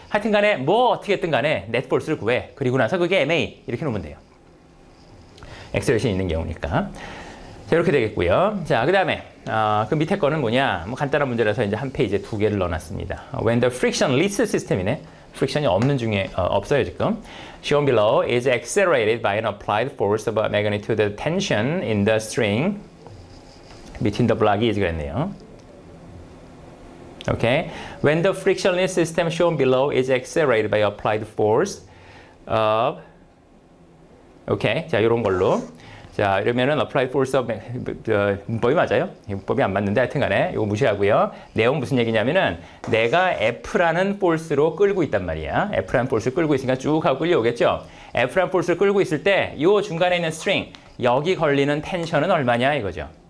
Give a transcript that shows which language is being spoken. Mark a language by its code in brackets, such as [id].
[ko] 하여튼 간에 뭐 어떻게든 간에 넷 폴스를 구해. 그리고 나서 그게 ma 이렇게 놓으면 돼요. 액셀레이션이 있는 경우니까. 자, 이렇게 되겠고요. 자, 그다음에 그 밑에 거는 뭐냐? 뭐 간단한 문제라서 이제 한 페이지에 두 개를 넣어놨습니다. [en] When the frictionless system이네. [ko] 프릭션이 없는 중에 없어요 지금. [en] Shown below is accelerated by an applied force of magnitude tension in the string between the block is [ko] 그랬네요. [en] Okay. When the frictionless system shown below is accelerated by applied force of okay. [ko] 자 이런 걸로. 자 이러면은 [en] applied force of [ko] 문법이 맞아요? 문법이 안 맞는데 하여튼간에 이거 무시하고요. 내용 무슨 얘기냐면은 내가 F라는 force로 끌고 있단 말이야. F라는 force를 끌고 있으니까 쭉 하고 끌려오겠죠. F라는 force를 끌고 있을 때 이 중간에 있는 string 여기 걸리는 텐션은 얼마냐 이거죠.